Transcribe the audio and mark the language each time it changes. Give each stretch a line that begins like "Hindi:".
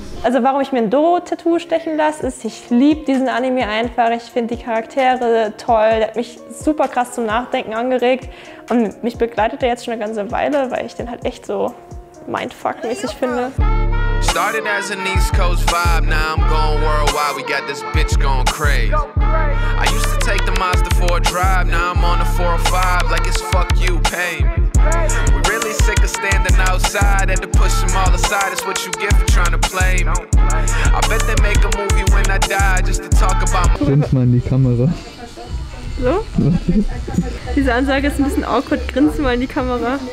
German: Also warum ich mir ein Doro-Tattoo stechen lasse, ist, ich liebe diesen Anime einfach. Ich finde die Charaktere toll. Der hat mich super krass zum Nachdenken angeregt. Und mich begleitet er jetzt schon eine ganze Weile, weil ich den halt echt so mindfuck-mäßig finde.
English: Started as an East Coast vibe, now I'm going worldwide. We got this bitch going crazy. I used to take the Mazda for a drive, now I'm on a 405 like it's fuck you, pain. We really sick of standing outside, had to push them all aside, it's what you get for trying to play me. I bet they make a movie when I die, just to talk about my...
German: Grinst mal in die Kamera. So? Diese Ansage ist ein bisschen awkward, grinst mal in die Kamera.